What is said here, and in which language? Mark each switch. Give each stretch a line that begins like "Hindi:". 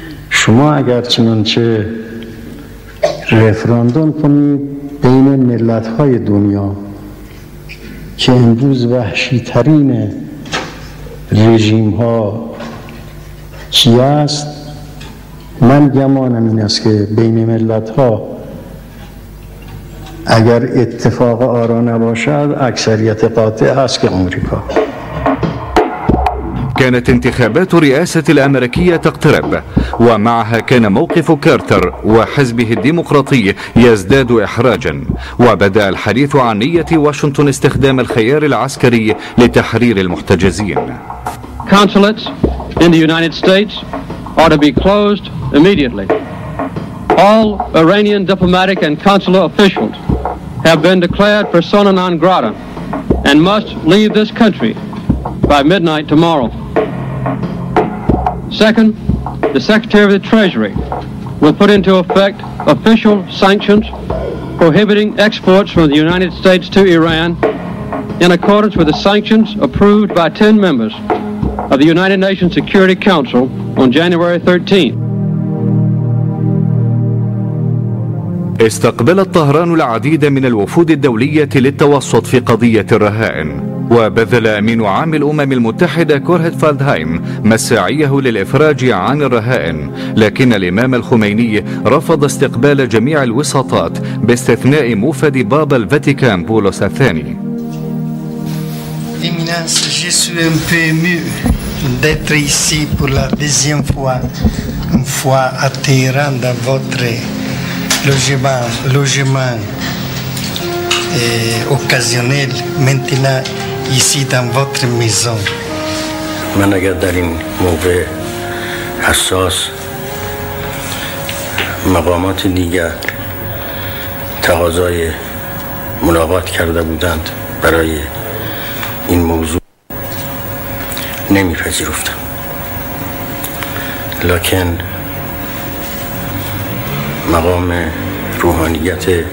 Persian: شما اگر چنانچه رفراندوم کنید بین ملت‌های دنیا که امروز وحشی ترین رژیم ها کی است، من گمانم این است که بین ملت ها اگر اتفاق آرا نباشد اکثریت قاطع است که امریکا.
Arabic: كانت انتخابات رئاسة الأمريكية تقترب، ومعها كان موقف كارتر وحزبه الديمقراطي يزداد إحراجا، وبدأ الحديث عن نية واشنطن استخدام الخيار العسكري لتحرير المحتجزين.
English: Consulates in the United States are to be closed immediately. All Iranian diplomatic and consular officials have been declared persona non grata and must leave this country by midnight tomorrow. Second, the Secretary of the Treasury will put into effect official sanctions prohibiting exports from the United States to Iran in accordance with the sanctions approved by 10 members of the United Nations Security Council on January 13th.
Arabic: استقبلت طهران العديد من الوفود الدولية للتوسط في قضية الرهائن، وبذل أمين عام الأمم المتحدة كورهت فالدهايم مساعيه للإفراج عن الرهائن، لكن الإمام الخميني رفض استقبال جميع الوساطات باستثناء موفد بابا الفاتيكان بولس الثاني.
French: Éminence, je suis un peu ému d'être ici pour la deuxième fois, une fois à Téhéran dans votre logement occasionnel, maintenant ici dans votre maison.
Persian: من اگر در این موقع حساس مقامات دیگر تقاضای ملاقات کرده بودند برای این موضوع نمیپذیرفتم، لکن مقام روحانیت